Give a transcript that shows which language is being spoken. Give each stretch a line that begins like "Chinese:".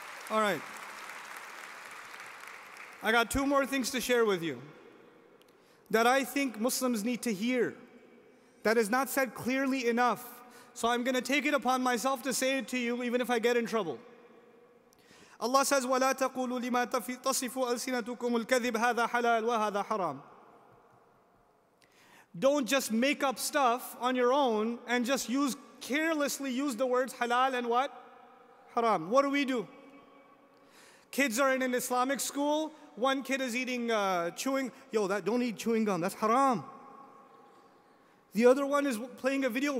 English: All right. I got two more things to share with you that I think Muslims need to hear, that is not said clearly enough. So I'm going to take it upon myself to say it to you, even if I get in trouble. Allah says,
Arabic: وَلَا تَقُولُوا لِمَا تَصِفُوا أَلْسِنَتُكُمُ الْكَذِبُ هَذَا حَلَالٌ وَهَذَا حَرَامٌ.
English: Don't just make up stuff on your own and just carelessly use the words halal and what? Haram. What do? Kids are in an Islamic school. One kid is eating chewing. Yo, that don't eat chewing gum. That's haram. The other one is playing a video.